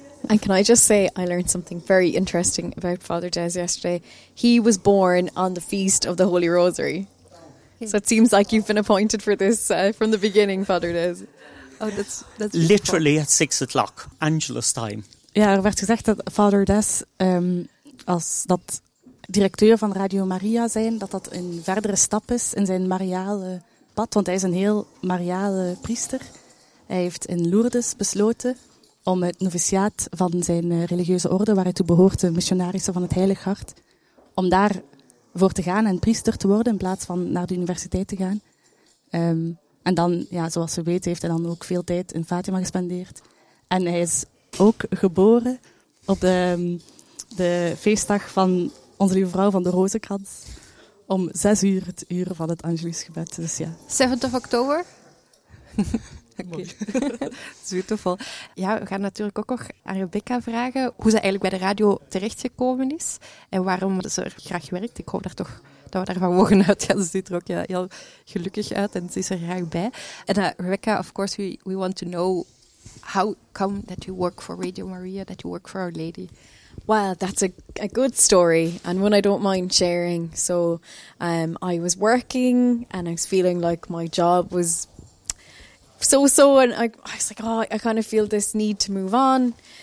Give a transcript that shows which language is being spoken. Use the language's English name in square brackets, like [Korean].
[English] And can I just say, I learned something very interesting about Father Des yesterday. He was born on the Feast of the Holy Rosary. So it seems like you've been appointed for this from the beginning, Father Des. Oh, that's literally at 6 o'clock, Angelus time. [Dutch] Ja, er werd gezegd dat Father Des, als dat directeur van Radio Maria zijn, dat een verdere stap is in zijn mariale pad, want hij is een heel mariale priester. Hij heeft in Lourdes besloten om het noviciaat van zijn religieuze orde, waar hij toe behoort, de missionarissen van het Heilig Hart, om daar voor te gaan en priester te worden in plaats van naar de universiteit te gaan. En dan, ja, zoals we weten, heeft hij dan ook veel tijd in Fatima gespendeerd. En hij is ook geboren op de feestdag van Onze Lieve Vrouw van de Rozenkrans om 6 uur, het uur van het Angelusgebed. Dus ja. [English] 7th of October? [Dutch] Oké. Zoetevol. Ja, we gaan natuurlijk ook nog aan Rebecca vragen hoe ze eigenlijk bij de radio terechtgekomen is en waarom ze er graag werkt. Ik hoop daar toch dat we daarvan mogen uitgaan. Ze ziet er ook heel gelukkig uit en ze is er graag bij. En Rebecca, [English] of course, we want to know how come that you work for Radio Maria, that you work for Our Lady? Well, that's a good story and one I don't mind sharing. So I was working and I was feeling like my job was so-so and I was like, oh, I kind of feel this need to move on.